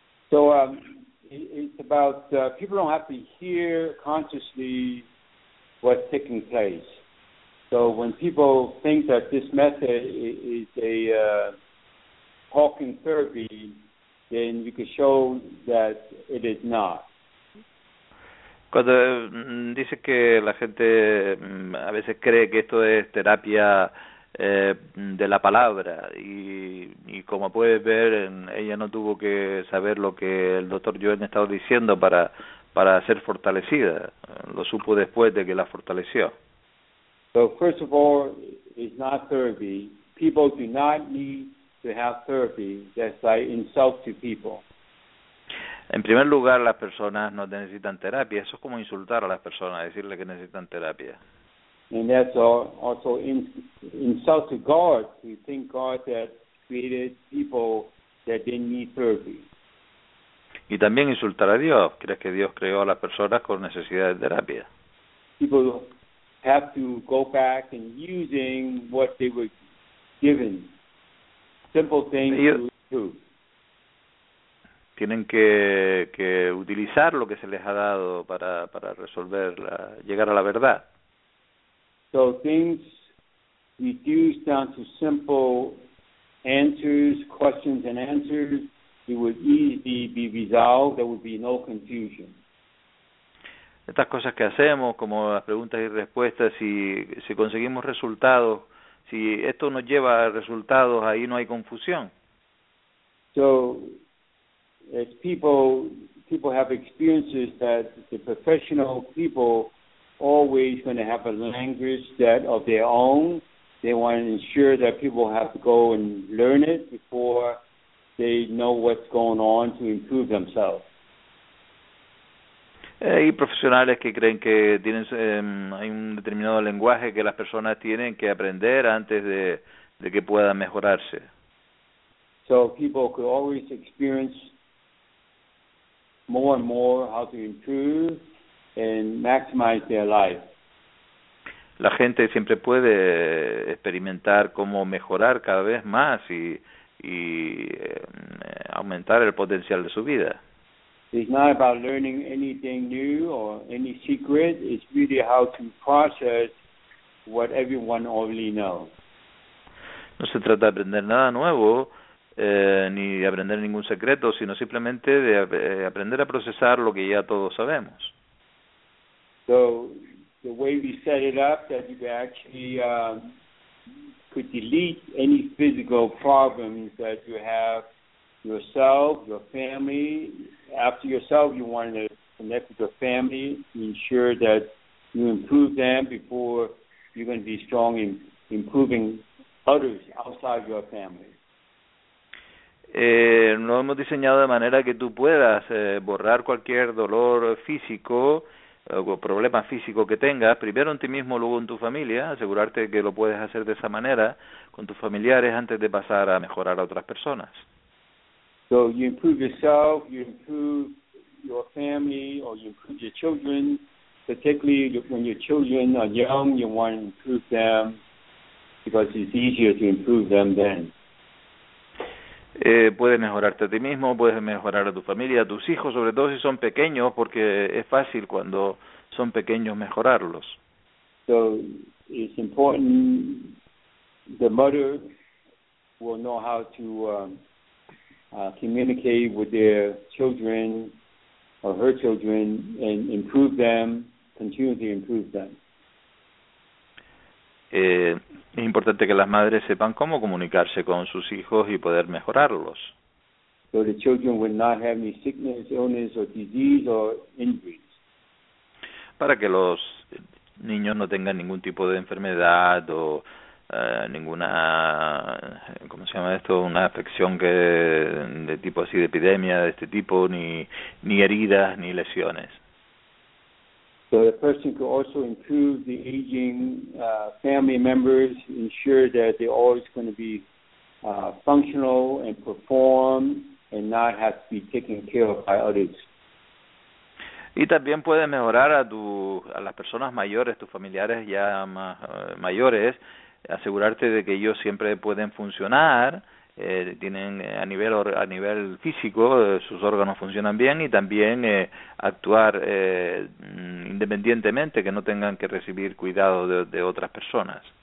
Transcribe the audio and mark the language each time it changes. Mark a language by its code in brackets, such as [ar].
[en] So, it's about people don't have to hear consciously what's taking place. So, when people think that this method is a talking therapy, then you can show that it is not. [es] Cuando dice que la gente a veces cree que esto es terapia de la palabra, y como puedes ver, ella no tuvo que saber lo que el doctor Joen estaba diciendo para ser fortalecida. Lo supo después de que la fortaleció. [en] So first of all, it's not therapy. People do not need to have therapy, that's like insult to people. [es] En primer lugar, las personas no necesitan terapia. Eso es como insultar a las personas, decirle que necesitan terapia. [en] And that's also insult to God, to think God that created people that didn't need therapy. [es] Y también insultar a Dios. ¿Crees que Dios creó a las personas con necesidad de terapia? [en] People have to go back and using what they were given. Simple things to do. [es] Tienen que utilizar lo que se les ha dado para resolver, llegar a la verdad. [en] So things reduced down to simple answers, questions and answers, it would easily be resolved, there would be no confusion. [es] Estas cosas que hacemos, como las preguntas y respuestas, si conseguimos resultados, si esto nos lleva a resultados, ahí no hay confusión. [en] So, as people have experiences that the professional people always going to have a language that of their own. They want to ensure that people have to go and learn it before they know what's going on to improve themselves. [es] Hay profesionales que creen que tienen hay un determinado lenguaje que las personas tienen que aprender antes de que puedan mejorarse. [en] So people could always experience more and more how to improve and maximize their life. [es] La gente siempre puede experimentar cómo mejorar cada vez más y aumentar el potencial de su vida. [en] It's not about learning anything new or any secret. It's really how to process what everyone already knows. [es] No se trata de aprender nada nuevo, ni de aprender ningún secreto, sino simplemente de aprender a procesar lo que ya todos sabemos. [en] So the way we set it up, that you actually could delete any physical problems that you have yourself, your family. After yourself, you want to connect with your family, ensure that you improve them before you're going to be strong in improving others outside your family. [es] Lo hemos diseñado de manera que tú puedas borrar cualquier dolor físico o problema físico que tengas, primero en ti mismo, luego en tu familia, asegurarte que lo puedes hacer de esa manera con tus familiares antes de pasar a mejorar a otras personas. [en] So you improve yourself, you improve your family, or you improve your children, particularly when your children are young, you want to improve them because it's easier to improve them then. [es] Puedes mejorarte a ti mismo, puedes mejorar a tu familia, a tus hijos, sobre todo si son pequeños, porque es fácil cuando son pequeños mejorarlos. [en] So it's important the mother will know how to communicate with their children or her children and improve them, continue to improve them. [es] Es importante que las madres sepan cómo comunicarse con sus hijos y poder mejorarlos. [en] So the children will not have any sickness, illness, or disease, or injuries. [es] Para que los niños no tengan ningún tipo de enfermedad o ninguna, ¿cómo se llama esto? Una afección que de tipo así de epidemia de este tipo, ni heridas ni lesiones. [en] So the person could also improve the aging family members, ensure that they're always going to be functional and perform and not have to be taken care of by others. [es] Y también puede mejorar a las personas mayores, tus familiares ya más mayores, asegurarte de que ellos siempre pueden funcionar, tienen a nivel físico, sus órganos funcionan bien, y también actuar independientemente, que no tengan que recibir cuidado de otras personas.